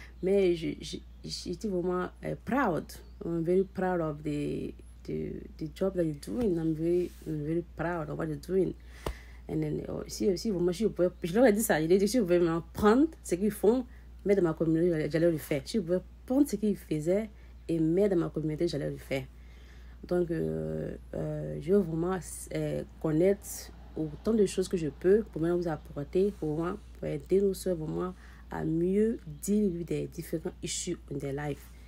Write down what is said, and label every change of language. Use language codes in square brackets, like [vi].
[fr] Mais j'étais vraiment proud. [en] I'm very proud of the job that you're doing. I'm very proud of what you're doing. And then, [fr] je leur ai dit ça, je leur ai dit si vous pouvez vraiment prendre ce qu'ils font. Mais dans ma communauté, j'allais le faire. Si je pouvais prendre ce qu'il faisait et mettre dans ma communauté, j'allais le faire. Donc, je veux vraiment connaître autant de choses que je peux pour vraiment vous apporter, pour vraiment pour aider nos soeurs vraiment à mieux dire des différents [en] issues in their life.